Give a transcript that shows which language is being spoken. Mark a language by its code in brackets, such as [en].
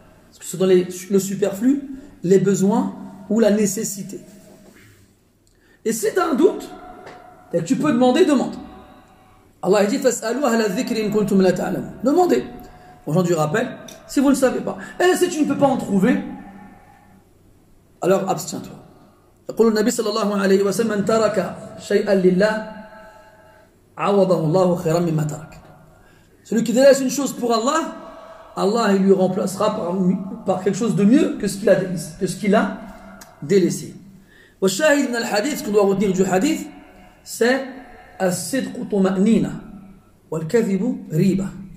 [fr] Est-ce que c'est dans le superflu, les besoins ou la nécessité? Et si tu as un doute, et que tu peux demander, demande. Allah a dit, [ar] fas'alou ahla dhikri in kuntum la ta'lamou. [fr] Demandez. Bon, j'en du rappel, si vous ne savez pas. Et si tu ne peux pas en trouver, alors abstiens-toi. [ar] يقول النبي صلى الله عليه وسلم من ترك شيئا لله عوضه الله خيرا مما ترك. [fr] Celui qui délaisse une chose pour Allah, Allah il lui remplacera par quelque chose de mieux que ce qu'il a délaissé. [ar] والشاهد من الحديث, [fr] ce qu'on doit retenir du hadith, c'est [ar] الصدق طمأنينة والكذب ريبة.